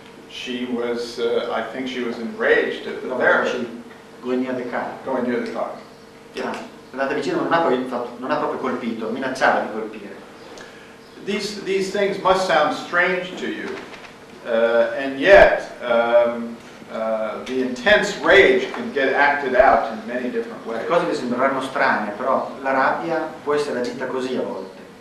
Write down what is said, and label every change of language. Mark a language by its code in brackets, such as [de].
[en] She was, I think she was enraged at the therapist. Going near the car. Going near the car. Yeah. [it] Andata vicino, non ha proprio colpito, minacciava di colpire. [en] These things must sound strange to you, and yet the intense rage can get acted out in many different ways. [it] Cose che sembreranno strane, però la rabbia può essere agita così a volte.